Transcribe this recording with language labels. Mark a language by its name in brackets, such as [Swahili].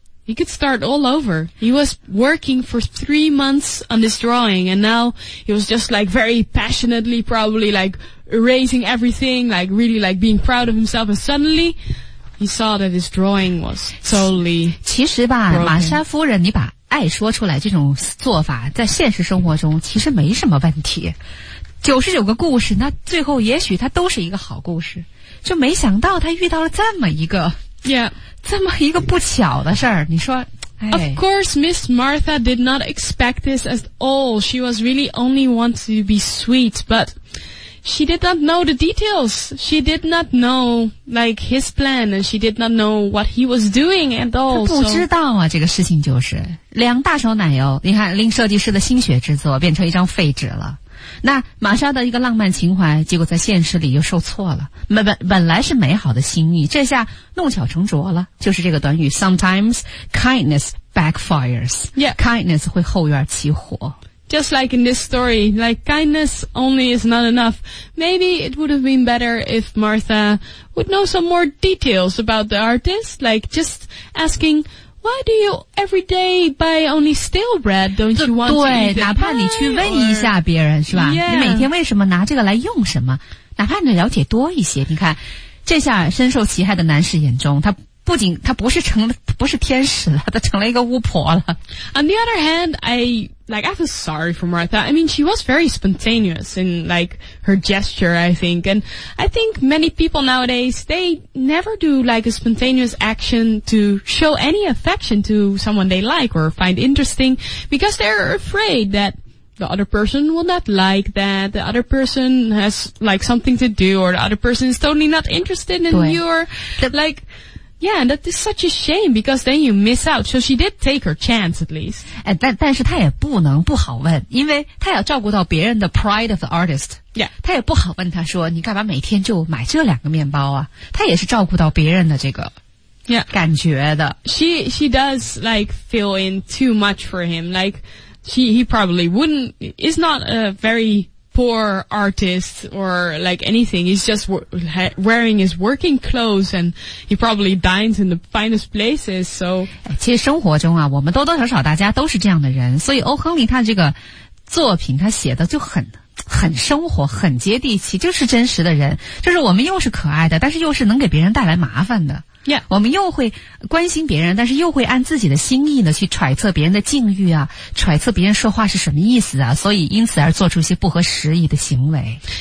[English] He could start all over. He was working for 3 months on this drawing, and now he was just like very passionately, probably like erasing everything, like really like being proud of himself. And suddenly, he saw that his drawing was totally. [Chinese] 其实吧，玛莎夫人，你把爱说出来这种做法，在现实生活中其实没什么问题。九十九个故事，那最后也许它都是一个好故事。就没想到他遇到了这么一个。 [English] Yeah. [Chinese] 这么一个不巧的事儿，你说、哎、 [English] Of course, Miss Martha did not expect this at all. She was really only want to be sweet, but she did not know the details. She did not know, like, his plan, and she did not know what he was doing at all. [Chinese] 她不知道啊，这个事情就是两大勺奶油，你看令设计师的心血之作变成一张废纸了。那玛莎的一个浪漫情怀结果在现实里又受挫了本来是美好的心意这下弄巧成拙了就是这个短语 [English] Sometimes kindness backfires Yeah [Chinese] Kindness 会后院起火 [English] Just like in this story Like kindness only is not enough Maybe it would have been better if Martha would know some more details about the artist Like just askingWhy do you every day buy only stale bread? Don't you want to eat it? [Chinese] 对，哪怕你去问一下别人，是吧？ [English] Yeah. [Chinese] 你每天为什么拿这个来用什么？哪怕你了解多一些，你看，这下深受其害的男士眼中，他不是天使了，他成了一个巫婆了。 [English] On the other hand, I feel sorry for Martha. I mean, she was very spontaneous in, like, her gesture, I think. And I think many people nowadays, they never do, like, a spontaneous action to show any affection to someone they like or find interesting because they're afraid that the other person will not like that, the other person has, like, something to do or the other person is totally not interested in your, like... Yeah, that is such a shame because then you miss out. So she did take her chance at least. [Chinese] 哎，但是她也不能不好问，因为她要照顾到别人的 [English] pride of the artist. Yeah, [Chinese] 她也不好问她说你干嘛每天就买这两个面包啊？她也是照顾到别人的这个 [English] yeah [Chinese] 感觉的。 [English] She does like fill in too much for him. Like he probably wouldn't is not a very poor artist or like anything. He's just wearing his working clothes and he probably dines in the finest places. So, [Chinese] 其实生活中啊，我们多多少少大家都是这样的人。所以欧亨利他这个作品他写的就很生活，很接地气，就是真实的人。就是我们又是可爱的，但是又是能给别人带来麻烦的。 [English] Yeah. [Chinese] 我们又会关心别人，但是又会按自己的心意呢去揣测别人的境遇啊，揣测别人说话是什么意思啊，所以因此而做出一些不合时宜的行为。